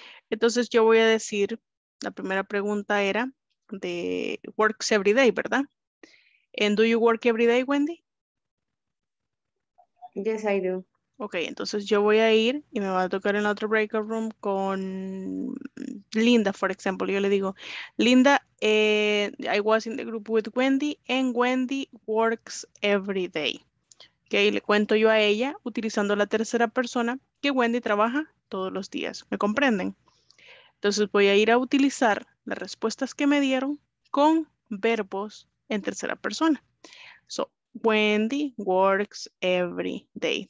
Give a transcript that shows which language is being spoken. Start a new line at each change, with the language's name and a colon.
Spanish: Entonces yo voy a decir, la primera pregunta era de works every day, ¿verdad?
English: And do you work every day, Wendy? Yes, I do.
Spanish: Ok, entonces yo voy a ir y me va a tocar en la otra breakout room con Linda, for example. Yo le digo,
English: Linda, I was in the group with Wendy and Wendy works every day.
Spanish: Okay, le cuento yo a ella, utilizando la tercera persona, que Wendy trabaja todos los días. ¿Me comprenden? Entonces voy a ir a utilizar las respuestas que me dieron con verbos en tercera persona.
English: So, Wendy works every day.